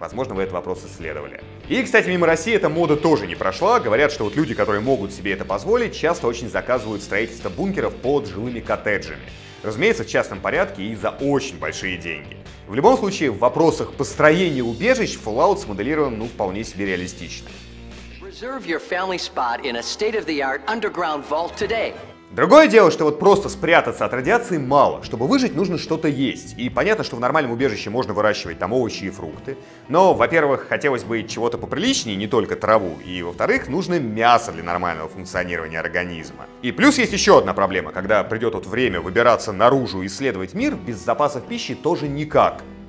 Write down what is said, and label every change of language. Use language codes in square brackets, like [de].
[ru] Возможно, вы этот вопрос исследовали. И, кстати, мимо России эта мода тоже не прошла. Говорят, что вот люди, которые могут себе это позволить, часто очень заказывают строительство бункеров под жилыми коттеджами. Разумеется, в частном порядке и за очень большие деньги. В любом случае, в вопросах построения убежищ Fallout смоделирован, ну, вполне себе реалистично. [en] Reserve your family spot in a state-of-the-art underground vault today. [ru] Другое дело, что вот просто спрятаться от радиации мало. Чтобы выжить, нужно что-то есть. И понятно, что в нормальном убежище можно выращивать там овощи и фрукты. Но, во-первых, хотелось бы чего-то поприличнее, не только траву. И, во-вторых, нужно мясо для нормального функционирования организма. И плюс есть еще одна проблема. Когда придет вот время выбираться наружу и исследовать мир, без запасов пищи тоже никак.